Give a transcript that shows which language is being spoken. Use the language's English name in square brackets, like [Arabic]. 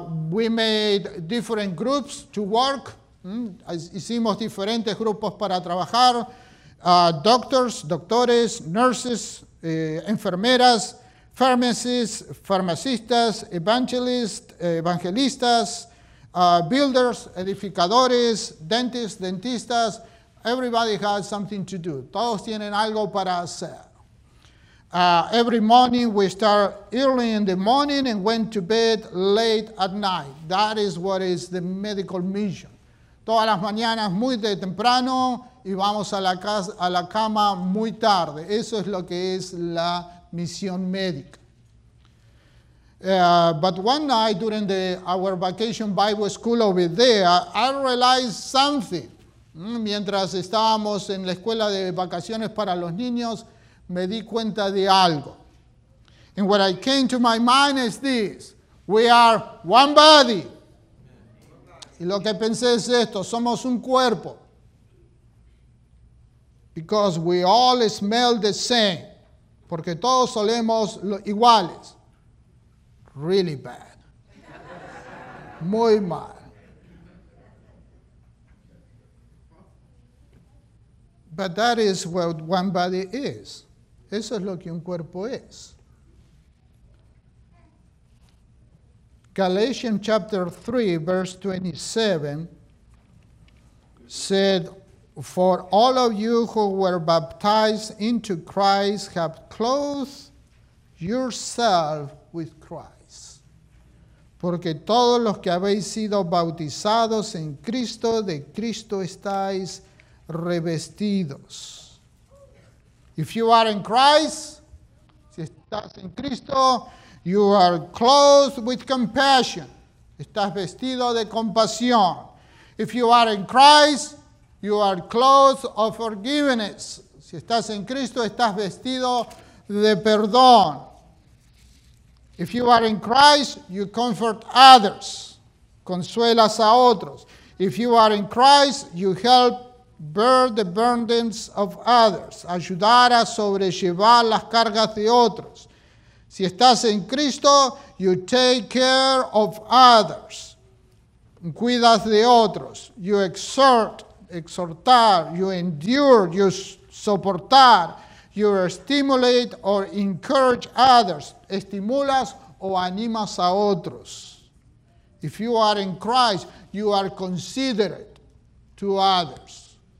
[English] We made different groups to work. [Spanish] Hicimos diferentes grupos para trabajar. Doctores, nurses, enfermeras, farmacistas, evangelistas, builders, edificadores, dentistas. [English] Everybody has something to do. [Spanish] Todos tienen algo para hacer. [English] Every morning we start early in the morning and went to bed late at night. That is what is the medical mission. [Spanish] Todas las mañanas muy de temprano y vamos a la cama muy tarde. Eso es lo que es la misión médica. [English] But one night during our vacation Bible school over there, I realized something. [Spanish] Mientras estábamos en la escuela de vacaciones para los niños, me di cuenta de algo. [English] And what I came to my mind is this. We are one body. [Spanish] Y lo que pensé es esto. Somos un cuerpo. [English] Because we all smell the same. [Spanish] Porque todos olemos iguales. [English] Really bad. [Spanish] Muy mal. [English] But that is what one body is. [Spanish] Eso es lo que un cuerpo es. [English] Galatians chapter 3, verse 27 said, "For all of you who were baptized into Christ have clothed yourself with Christ. [Spanish] Porque todos los que habéis sido bautizados en Cristo, de Cristo estáis revestidos." [English] If you are in Christ, [Spanish] si estás en Cristo, [English] you are clothed with compassion. [Spanish] Estás vestido de compasión. [English] If you are in Christ, you are clothed of forgiveness. [Spanish] Si estás en Cristo, estás vestido de perdón. [English] If you are in Christ, you comfort others. [Spanish] Consuelas a otros. [English] If you are in Christ, you help bear the burdens of others. [Spanish] Ayudar a sobrellevar las cargas de otros. Si estás en Cristo, [English] you take care of others. [Spanish] Cuidas de otros. [English] You exhortar, you endure, you soportar, you stimulate or encourage others. [Spanish] Estimulas o animas a otros. [English] If you are in Christ, you are considerate to others.